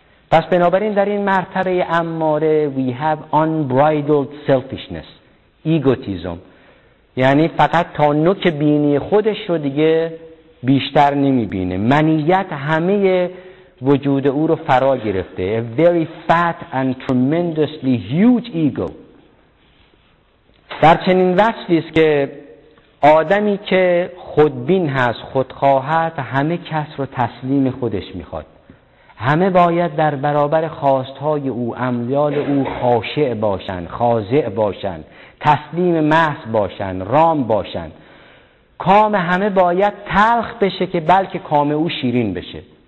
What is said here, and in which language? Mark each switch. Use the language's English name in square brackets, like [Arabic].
[Persian] پس بنابراین در این مرتبه اماره [English] we have unbridled selfishness، [Persian] ایگوتیزم، یعنی فقط تا نوک بینی خودش رو دیگه بیشتر نمیبینه، منیت همه وجود او رو فرا گرفته. [English] A very fat and tremendously huge ego. [Persian] در چنین وصفیست که آدمی که خودبین هست، خودخواهد، همه کس رو تسلیم خودش میخواد، همه باید در برابر خواستهای او، امیال او خاشع باشن، خاضع باشن، تسلیم محض باشن، رام باشن، کام همه باید تلخ بشه که بلکه کام او شیرین بشه.